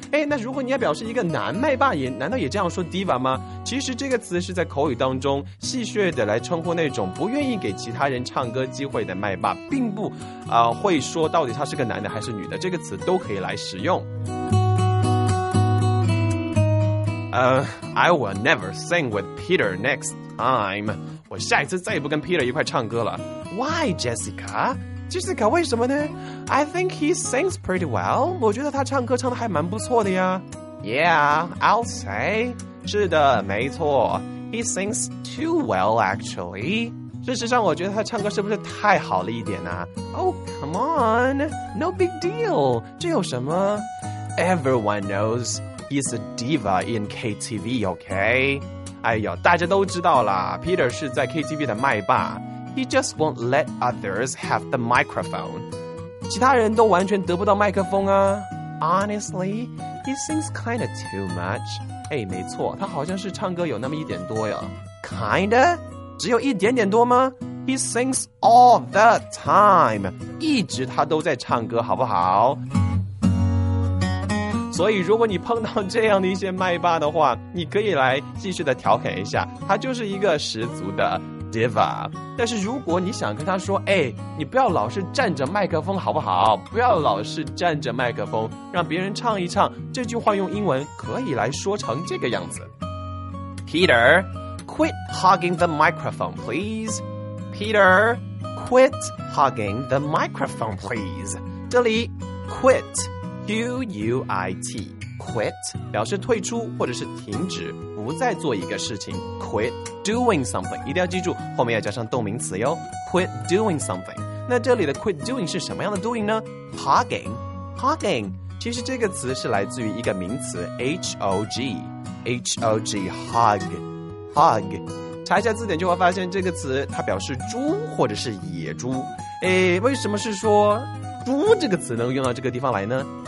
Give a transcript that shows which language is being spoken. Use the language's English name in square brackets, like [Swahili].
[Chinese] 哎，那如果你要表示一个男麦霸，也难道也这样说 diva 吗？其实这个词是在口语当中戏谑的来称呼那种不愿意给其他人唱歌机会的麦霸，并不会说到底他是个男的还是女的，这个词都可以来使用。 [English] I will never sing with Peter next time. [Chinese] 我下一次再也不跟 Peter 一块唱歌了。 [English] Why, Jessica? [Chinese] Jessica, 为什么呢？ [English] I think he sings pretty well. [Chinese] 我觉得他唱歌唱得还蛮不错的呀。 [English] Yeah, I'll say. [Chinese] 是的，没错。 [English] He sings too well, actually. [Chinese] 事实上，我觉得他唱歌是不是太好了一点呢？ [English] Oh, come on. No big deal. [Chinese] 这有什么？ [English] Everyone knows. He's a diva in KTV, okay? [Chinese] 哎呦，大家都知道啦， Peter 是在 KTV 的麦霸。 [English] He just won't let others have the microphone. [Chinese] 其他人都完全得不到麦克风啊。 [English] Honestly, he sings kind of too much. [Chinese] 哎，没错，他好像是唱歌有那么一点多呀。 [English] Kind of? [Chinese] 只有一点点多吗？ [English] He sings all the time. [Chinese] 一直他都在唱歌，好不好？所以如果你碰到这样的一些麦霸的话，你可以来继续的调侃一下，他就是一个十足的 diva。但是如果你想跟他说，哎，你不要老是站着麦克风好不好，不要老是站着麦克风让别人唱一唱，这句话用英文可以来说成这个样子。 [English] Peter, quit hogging the microphone, please. Peter, quit hogging the microphone, please. [Chinese] 这里 quitQUIT quit 表示退出或者是停止，不再做一个事情。 [English] quit doing something [Chinese] 一定要记住后面要加上动名词哟。 [English] quit doing something， [Chinese] 那这里的 [English] quit doing [Chinese] 是什么样的 doing 呢？ hogging hogging 其实这个词是来自于一个名词 HOG HOG hog hog， 查一下字典就会发现这个词它表示猪或者是野猪。诶，为什么是说猪这个词能用到这个地方来呢？